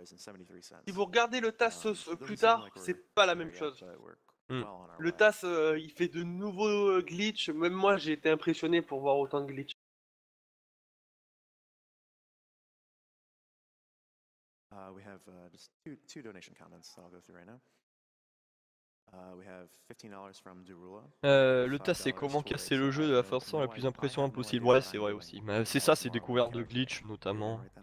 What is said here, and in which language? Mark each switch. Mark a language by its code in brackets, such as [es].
[fr] Si vous regardez le TAS plus tard, c'est pas la même chose. Le TAS, il fait de nouveaux glitches. Même moi, j'ai été impressionné pour voir autant de glitches. [en] We have just two donation comments that I'll go through right now. We have $15 from Derula. [fr] Le tas, c'est comment casser le jeu de la façon la plus impressionnante possible. Ouais, c'est vrai aussi. Mais c'est ça, c'est découvert de glitch notamment.